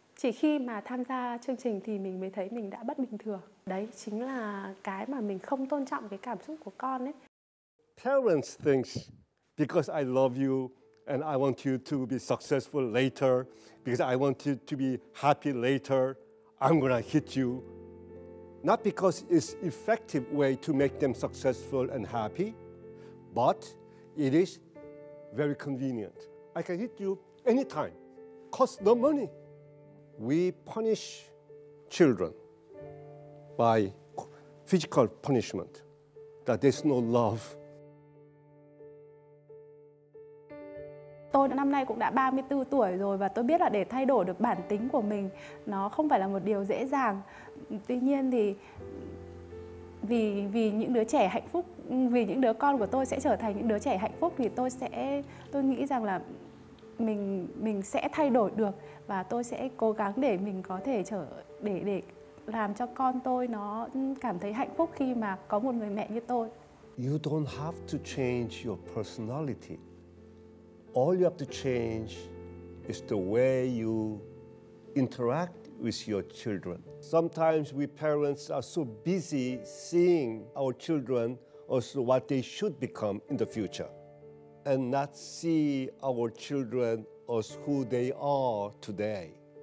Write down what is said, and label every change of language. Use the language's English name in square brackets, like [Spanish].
[Vietnamese] Chỉ khi mà tham gia chương trình thì mình mới thấy mình đã bất bình thường. Đấy chính là cái mà mình không tôn trọng cái cảm xúc của con ấy. [English] Parents think because I love you and I want you to be successful later, because I want you to be happy later, I'm gonna hit you. Not because it's an effective way to make them successful and happy, but it is very convenient. I can hit you anytime, cost no money. We punish children by physical punishment, that there's no love. [Vietnamese] Tôi năm nay cũng đã 34 tuổi rồi và tôi biết là để thay đổi được bản tính của mình nó không phải là một điều dễ dàng. Tuy nhiên thì vì những đứa trẻ hạnh phúc, vì những đứa con của tôi sẽ trở thành những đứa trẻ hạnh phúc, thì tôi nghĩ rằng là mình sẽ thay đổi được và tôi sẽ cố gắng để mình có thể để làm cho con tôi nó cảm thấy hạnh phúc khi mà có một người mẹ như tôi. [English] You don't have to change your personality. All you have to change is the way you interact with your children. Sometimes we parents are so busy seeing our children as what they should become in the future and not see our children as who they are today.